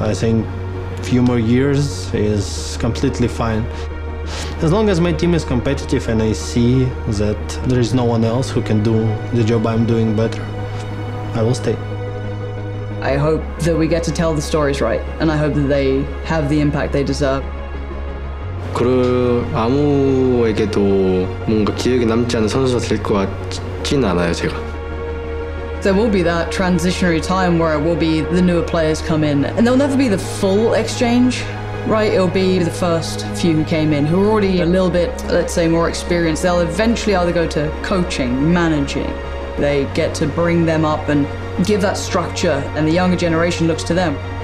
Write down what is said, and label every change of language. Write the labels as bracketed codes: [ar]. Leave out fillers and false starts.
[en] I think a few more years is completely fine. As long as my team is competitive and I see that there is no one else who can do the job I'm doing better, I will stay. I hope that we get to tell the stories right, and I hope that they have the impact they deserve. [ko] 그럴 아무에게도 뭔가 기억에 남지 않은 선수가 될 것 같진 않아요, 제가. [en] There will be that transitionary time where it will be the newer players come in, and there'll never be the full exchange. Right, it'll be the first few who came in, who are already a little bit, let's say, more experienced. They'll eventually either go to coaching, managing. They get to bring them up and give that structure, and the younger generation looks to them.